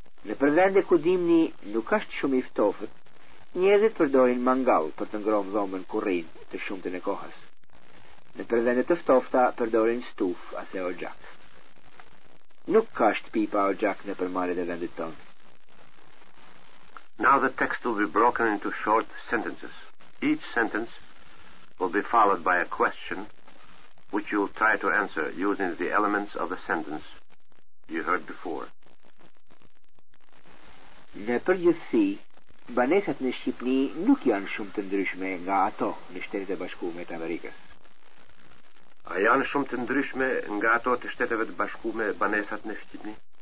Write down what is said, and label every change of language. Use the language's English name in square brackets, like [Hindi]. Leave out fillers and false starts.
[Albanian] Në përvende ku dimni nuk është shumë i ftohtë, njerëzit përdorin mangal për të ngrohtë dhomën kur rrin të shumtën e kohës. Në përvende të ftohta përdorin stufë ose oxhak. Nuk ka shtëpi pa oxhak në përmarrjet e vendit tonë. [English] Now the text will be broken into short sentences. Each sentence will be followed by a question which you'll try to answer using the elements of the sentence you heard before. [Albanian] Në përgjithësi, banesat në Shqipni nuk janë shumë të ndryshme nga ato në Shtetet e Bashkuara të Amerikës. A janë shumë të ndryshme nga ato të Shteteve të Bashkuara banesat në Shqipni?